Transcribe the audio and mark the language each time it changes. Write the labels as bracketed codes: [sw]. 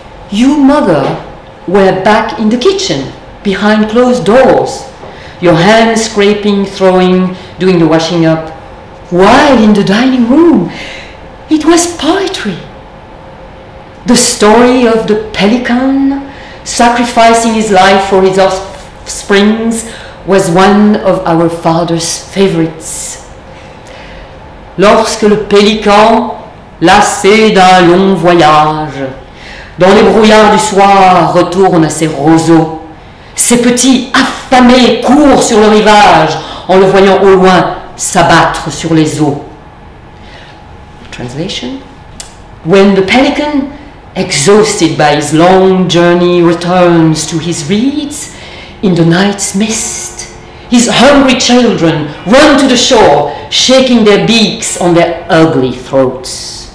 [en] You, mother, were back in the kitchen, behind closed doors, your hands scraping, throwing, doing the washing up, while in the dining room, it was poetry. The story of the pelican sacrificing his life for his offspring was one of our father's favorites. [fr] Lorsque le pelican, lassé d'un long voyage, dans les brouillards du soir, retourne à ses roseaux, ses petits affamés courent sur le rivage en le voyant au loin s'abattre sur les eaux. [en] Translation. When the pelican, exhausted by his long journey, returns to his reeds in the night's mist, his hungry children run to the shore, shaking their beaks on their ugly throats.